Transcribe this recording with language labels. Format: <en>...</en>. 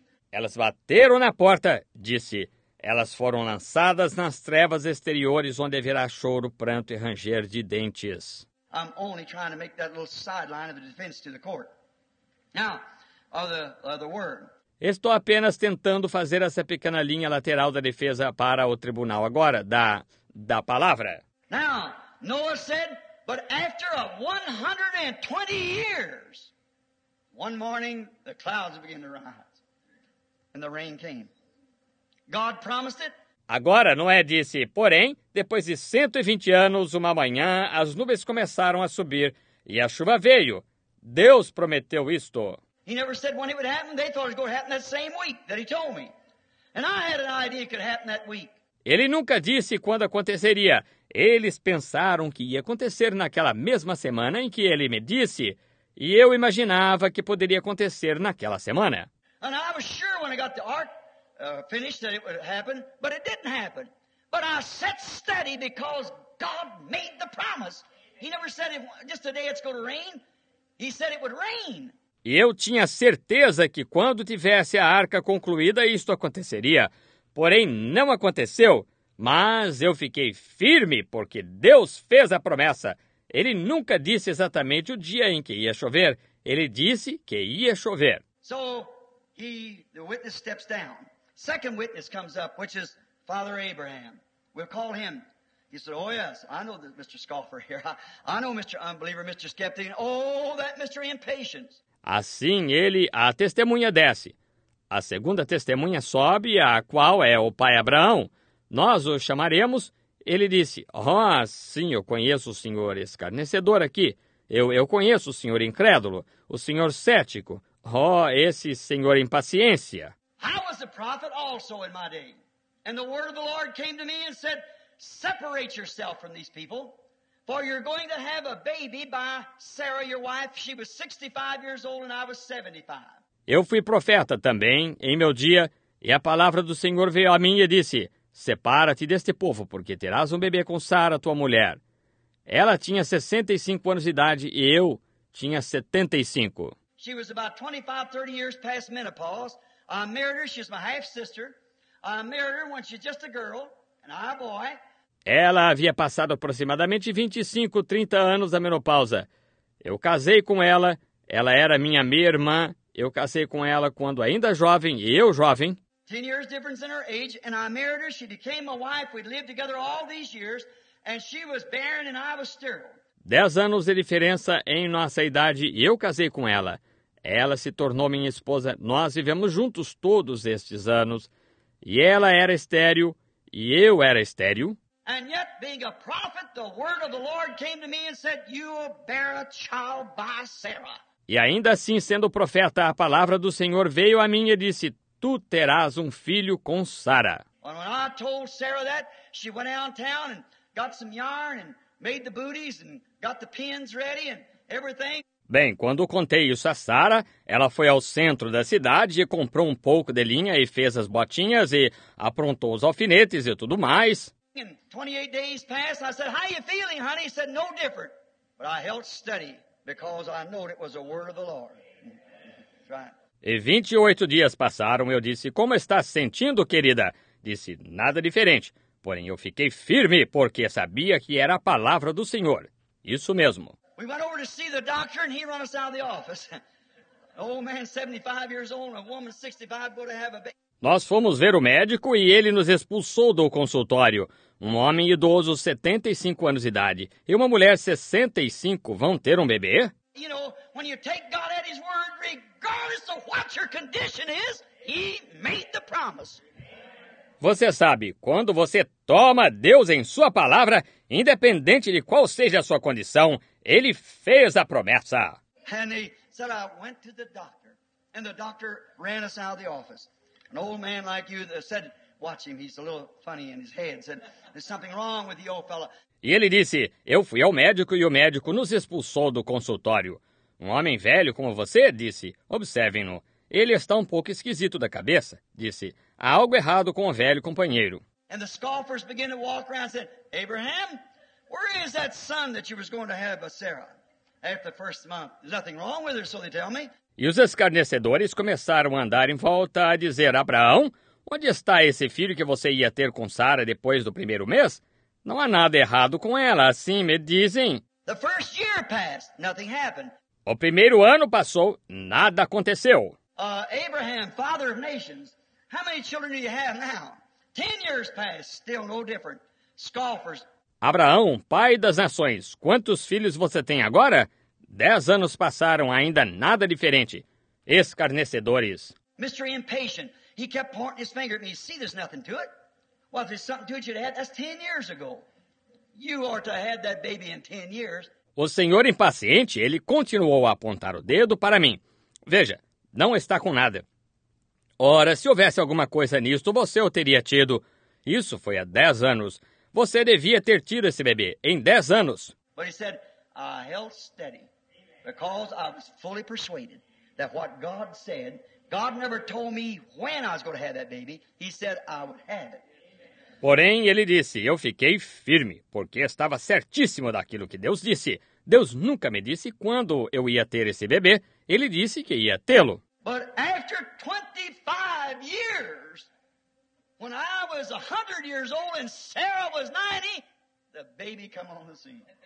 <pt>Elas bateram na porta, disse. Elas foram lançadas nas trevas exteriores, onde haverá choro, pranto e ranger de dentes.</pt> <en>I'm only trying to make that little sideline of the defense to the court. Now, of the word.</en> <pt>Estou apenas tentando fazer essa pequena linha lateral da defesa para o tribunal agora, da palavra.</pt> <en>Now, Noah said, but after 120 years, one morning the clouds began to rise and the rain came. God promised it.</en> <pt>Agora, Noé disse, porém, depois de 120 anos, uma manhã, as nuvens começaram a subir e a chuva veio. Deus prometeu isto.</pt> <en>He never said when it would happen. They thought it was going to happen that same week that he told me. And I had an idea it could happen that week.</en> <pt>Ele nunca disse quando aconteceria. Eles pensaram que ia acontecer naquela mesma semana em que ele me disse. E eu imaginava que poderia acontecer naquela semana.</pt> <en>And I was sure when I got the ark finished that it would happen, but it didn't happen. But I sat steady because God made the promise. He never said if just a day it's going to rain. He said it would rain.</en> <pt>E eu tinha certeza que quando tivesse a arca concluída, isto aconteceria. Porém, não aconteceu. Mas eu fiquei firme, porque Deus fez a promessa. Ele nunca disse exatamente o dia em que ia chover. Ele disse que ia chover.</pt> <en>So, the witness steps down. Second witness comes up, which is Father Abraham. We'll call him. He said, oh yes, I know that Mr. Scoffer here. I know Mr. Unbeliever, Mr. Skeptic, and all that Mr. Impatience.</en> <pt>Assim ele, a testemunha desce. A segunda testemunha sobe, a qual é o pai Abraão. Nós o chamaremos. Ele disse, oh, sim, eu conheço o senhor escarnecedor aqui. Eu conheço o senhor incrédulo, o senhor cético. Oh, esse senhor impaciência.</pt> <en>I was a prophet also in my day. And the word of the Lord came to me and said, separate yourself from these people. For you're going to have a baby by Sarah, your wife. She was 65 years old and I was 75.</en> <pt>Eu fui profeta também em meu dia, e a palavra do Senhor veio a mim e disse, separa-te deste povo, porque terás um bebê com Sara, tua mulher. Ela tinha 65 anos de idade e eu tinha 75.</pt> <en>She was about 25, 30 years past menopause. I married her, she's my half-sister. I married her when she's just a girl and I a boy.</en> <pt>Ela havia passado aproximadamente 25, 30 anos da menopausa. Eu casei com ela. Ela era minha meia-irmã. Eu casei com ela quando ainda jovem, e eu jovem.</pt> <en>10 years difference in her age, and I married her. She became my wife. We lived together all these years, and she was barren, and I was sterile.</en> <pt>10 anos de diferença em nossa idade, e eu casei com ela. Ela se tornou minha esposa. Nós vivemos juntos todos estes anos. E ela era estéril, e eu era estéril.</pt> <en>And yet, being a prophet, the word of the Lord came to me and said, you will bear a child by Sarah.</en> <pt>E ainda assim, sendo profeta, a palavra do Senhor veio a mim e disse, tu terás um filho com Sarah.</pt> <en>And when I told Sarah that, she went out of town and got some yarn and made the booties and got the pins ready and everything.</en> <pt>Bem, quando contei isso a Sarah, ela foi ao centro da cidade e comprou um pouco de linha e fez as botinhas e aprontou os alfinetes e tudo mais.</pt> <en>And 28 days passed, and I said, how are you feeling, honey? He said, no different. But I held steady because I knew it was the word of the Lord.</en> <pt>E 28 dias passaram, eu disse, como está se sentindo, querida? Disse, nada diferente. Porém, eu fiquei firme porque sabia que era a palavra do Senhor. Isso mesmo.</pt> <en>We went over to see the doctor and he ran us out of the office. An old man, 75 years old, and a woman, 65, going to have a baby.</en> <pt>Nós fomos ver o médico e ele nos expulsou do consultório. Um homem idoso, 75 anos de idade, e uma mulher, 65, vão ter um bebê?</pt> <en>You know, when you take God at his word, regardless of what your condition is, he made the promise.</en> <pt>Você sabe, quando você toma Deus em sua palavra, independente de qual seja a sua condição, ele fez a promessa.</pt> <en>And he said, I went to the doctor, and the doctor ran us out of the office. An old man like you that said, watch him, he's a little funny in his head, said, there's something wrong with the old fella.</en> <pt>E ele disse, eu fui ao médico e o médico nos expulsou do consultório. Um homem velho como você, disse, observem-no, ele está um pouco esquisito da cabeça, disse, há algo errado com o velho companheiro.</pt> <en>And the scoffers began to walk around and said, Abraham, where is that son that you was going to have with Sarah? After the first month, there's nothing wrong with her, so they tell me.</en> <pt>E os escarnecedores começaram a andar em volta a dizer, Abraão, onde está esse filho que você ia ter com Sara depois do primeiro mês? Não há nada errado com ela, assim me dizem.</pt> <en>The first year passed, nothing happened.</en> <pt>O primeiro ano passou, nada aconteceu.</pt> <en>Abraham, father of nations, how many children do you have now? 10 years passed, still no different. Scoffers.</en> <pt>Abraão, pai das nações, quantos filhos você tem agora? 10 anos passaram, ainda nada diferente. Escarnecedores.</pt> <en>Mr. Impatient, he kept pointing his finger at me. See, there's nothing to it. Well, if there's something to it, you'd have had, that's 10 years ago. You are to have that baby in 10 years.</en> <pt>O senhor impaciente, ele continuou a apontar o dedo para mim. Veja, não está com nada. Ora, se houvesse alguma coisa nisto, você o teria tido. Isso foi há 10 anos. Você devia ter tido esse bebê em 10 anos.</pt> <en>But he said, I held steady, because I was fully persuaded that what God said, God never told me when I was going to have that baby. He said I would have it.</en> <pt>Porém, ele disse, eu fiquei firme, porque estava certíssimo daquilo que Deus disse. Deus nunca me disse quando eu ia ter esse bebê, ele disse que ia tê-lo.</pt> <en>But after 25 years, when I was 100 years old and Sarah was 90, the baby came on the scene.</en>